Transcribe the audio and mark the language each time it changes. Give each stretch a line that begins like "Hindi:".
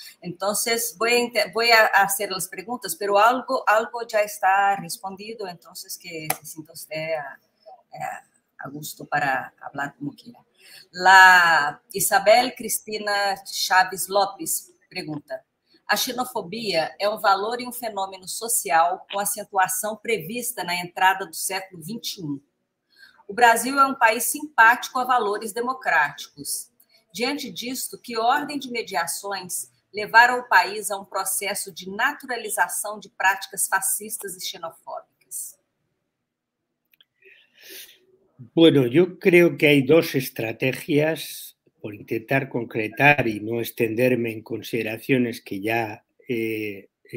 Spanish: Entonces, voy a hacer las preguntas, pero algo ya está respondido, entonces que se sienta usted a gusto para hablar como quiera. La Isabel Cristina Chávez López pregunta, ¿a xenofobia es un valor y un fenómeno social con acentuación prevista en la entrada del siglo XXI?
Portuguese: O Brasil é um país simpático a valores democráticos. Diante disto, que ordem de mediações levaram o país a um processo de naturalização de práticas fascistas e xenofóbicas?
Spanish: Bueno, yo creo que hay dos estrategias por intentar concretar y no extenderme en consideraciones que ya he